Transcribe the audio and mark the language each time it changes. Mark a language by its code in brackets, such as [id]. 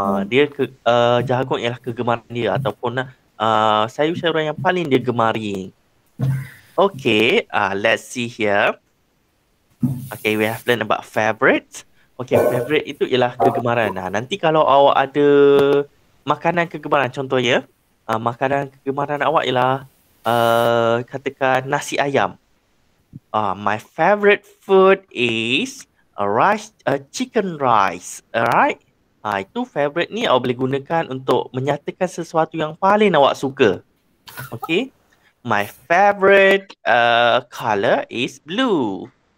[ms] Dia ke jagung ialah kegemaran dia ataupun sayur-sayuran yang paling dia gemari. [en] Okay, let's see here. Okay, we have learned about favorite. [ms] Okay, favorite itu ialah kegemaran. Nah, nanti kalau awak ada makanan kegemaran, contohnya makanan kegemaran awak ialah katakan nasi ayam. [en] My favorite food is chicken rice. Alright? [ms] Itu favorite ni awak boleh gunakan untuk menyatakan sesuatu yang paling awak suka. Okay? [en] My favorite color is blue.